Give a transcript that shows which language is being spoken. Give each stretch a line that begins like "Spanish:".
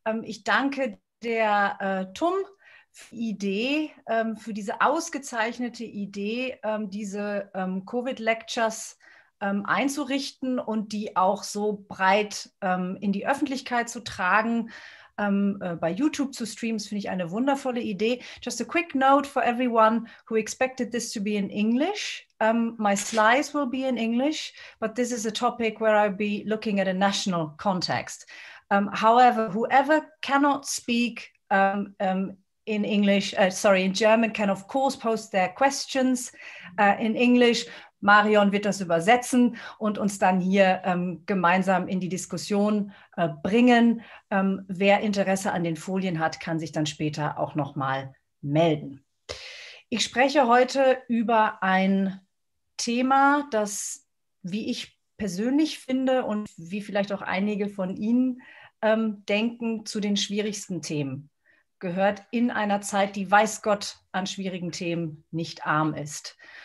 German: Ich danke der TUM für die Idee, für diese ausgezeichnete Idee, diese Covid-Lectures einzurichten und die auch so breit in die Öffentlichkeit zu tragen. Bei YouTube zu streamen, finde ich eine wundervolle Idee.
English: Just a quick note for everyone who expected this to be in English. My slides will be in English, but this is a topic where I'll be looking at a national context. However, whoever cannot speak in English, in German, can of course post their questions in English.
German: Marion wird das übersetzen und uns dann hier gemeinsam in die Diskussion bringen. Wer Interesse an den Folien hat, kann sich dann später auch nochmal melden. Ich spreche heute über ein Thema, das, wie ich persönlich finde und wie vielleicht auch einige von Ihnen denken, zu den schwierigsten Themen gehört in einer Zeit, die weiß Gott an schwierigen Themen nicht arm ist.